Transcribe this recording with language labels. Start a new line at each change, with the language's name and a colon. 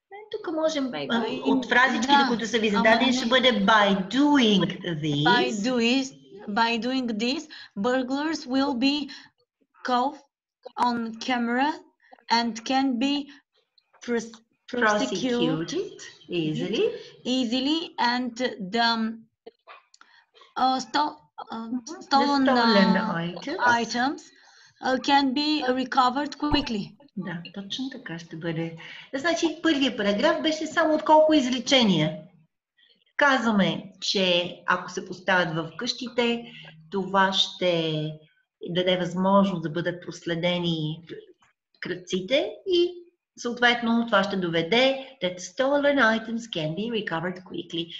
Bulgarian: Тук можем от фразичките, да, които са ви зададени, ще бъде
English: by doing this. By doing this, burglars will be caught on camera and can be prosecuted easily and the stolen items can be recovered quickly.
Bulgarian: Да, точно така ще бъде. Значи, първият параграф беше само от колко изречения. Казваме, че ако се поставят в къщите, това ще даде възможност да бъдат проследени крадците и съответно това ще доведе
English: that stolen items can be recovered quickly.